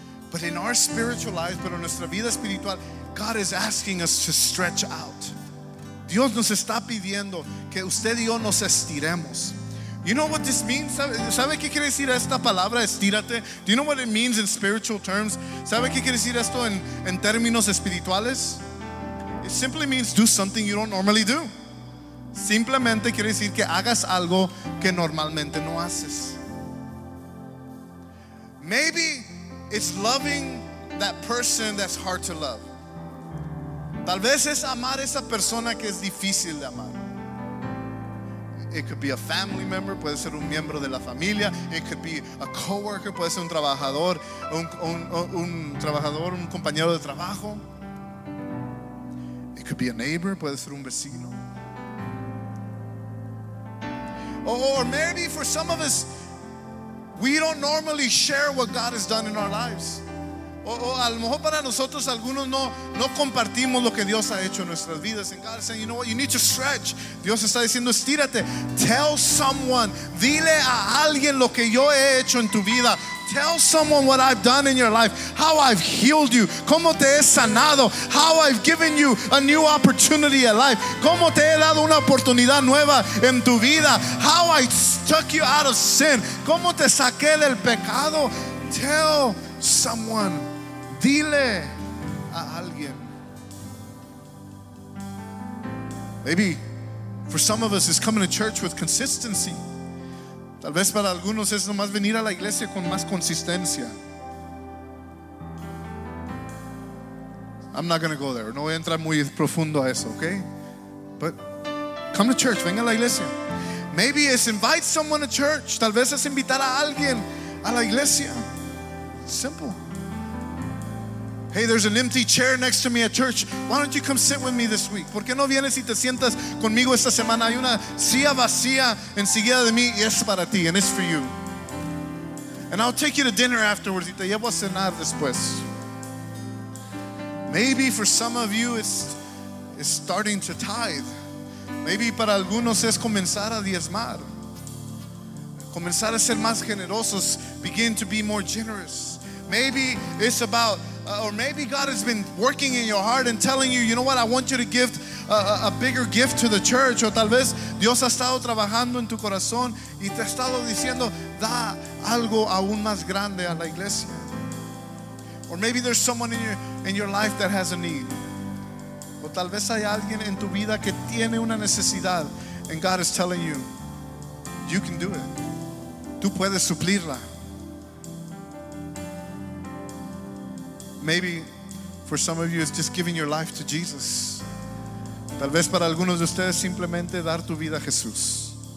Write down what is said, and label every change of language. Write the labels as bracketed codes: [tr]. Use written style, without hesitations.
[en] But in our spiritual lives, pero en nuestra vida espiritual, God is asking us to stretch out. [es] Dios nos está pidiendo que usted y yo nos estiremos. You know what this means? ¿Sabe qué quiere decir esta palabra, estírate? [en] Do you know what it means in spiritual terms? [es] ¿Sabe qué quiere decir esto en términos espirituales? [en] It simply means do something you don't normally do. [es] Simplemente quiere decir que hagas algo que normalmente no haces. [en] Maybe it's loving that person that's hard to love. [es] Tal vez es amar esa persona que es difícil de amar. It could be a family member, puede ser un miembro de la familia. It could be a coworker, puede ser un trabajador, un compañero de trabajo. [en] It could be a neighbor, puede ser un vecino. Or maybe for some of us, we don't normally share what God has done in our lives. [es] O a lo mejor para nosotros algunos no compartimos lo que Dios ha hecho en nuestras vidas. [en] And God is saying, you know what, you need to stretch. [es] Dios está diciendo, estírate. Tell someone, dile a alguien lo que yo he hecho en tu vida. [en] Tell someone what I've done in your life, how I've healed you, cómo te he sanado, how I've given you a new opportunity in life, cómo te he dado una oportunidad nueva en tu vida, how I took you out of sin, cómo te saqué del pecado. Tell someone, dile a alguien. Maybe for some of us it's coming to church with consistency. [es] Tal vez para algunos es nomás venir a la iglesia con más consistencia. I'm not going to go there. No voy a entrar muy profundo a eso, okay? But come to church, venga a la iglesia. Maybe it's invite someone to church. Tal vez es invitar a alguien a la iglesia. [en] Simple. Hey, there's an empty chair next to me at church. Why don't you come sit with me this week? [es] ¿Por qué no vienes y te sientas conmigo esta semana? Hay una silla vacía enseguida de mí y es para ti, and it's for you. [en] And I'll take you to dinner afterwards. Y te llevo a cenar después. Maybe for some of you it's starting to tithe. [es] Maybe para algunos es comenzar a diezmar. Comenzar a ser más generosos. [en] Begin to be more generous. Maybe it's about or maybe God has been working in your heart and telling you, you know what, I want you to give a bigger gift to the church. [es] O tal vez Dios ha estado trabajando en tu corazón y te ha estado diciendo, da algo aún más grande a la iglesia. [en] Or maybe there's someone in your life that has a need. O tal vez hay alguien en tu vida que tiene una necesidad, and God is telling you, you can do it. Tú puedes suplirla. Maybe for some of you it's just giving your life to Jesus. [es] Tal vez para algunos de ustedes simplemente dar tu vida a Jesús.